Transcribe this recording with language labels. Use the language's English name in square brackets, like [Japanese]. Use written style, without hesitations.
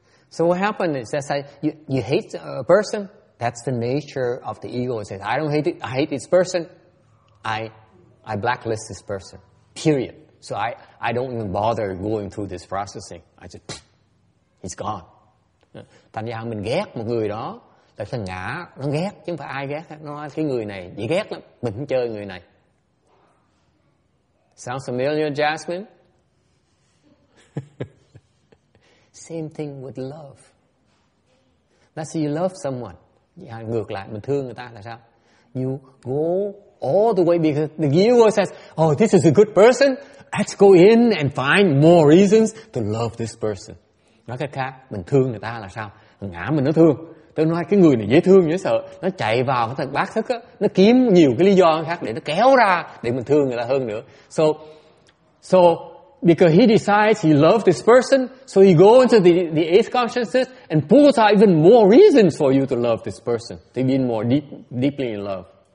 [English] So what happened is that you hate a person. That's the nature of the ego. It says I don't hate it. I hate this person. I blacklist this person. Period. So I don't even bother going through this processing. I just, he's gone. [Vietnamese] Thành ra mình ghét một người đó, là thằng ngã, nó ghét, chứ không phải ai ghét. Nó nói cái người này, dễ ghét lắm, mình không chơi người này. [English] Sounds familiar, Jasmine? Same thing with love. That's you love someone. [Vietnamese] Yeah, ngược lại, mình thương người ta là sao? [English] You go all the way because the ego says, oh, this is a good person. Let's go in and find more reasons to love this person. [Vietnamese] Nói cách khác, mình thương người ta là sao? Thằng ngã mình nó thương. Tôi nói cái người này dễ thương, dễ sợ. Nó chạy vào cái thằng bác thức á, nó kiếm nhiều cái lý do khác để nó kéo ra để mình thương người ta hơn nữa. [English] So because he decides he loves this person, so he go into the eighth consciousness and pulls out even more reasons for you to love this person, to be more deeply in love.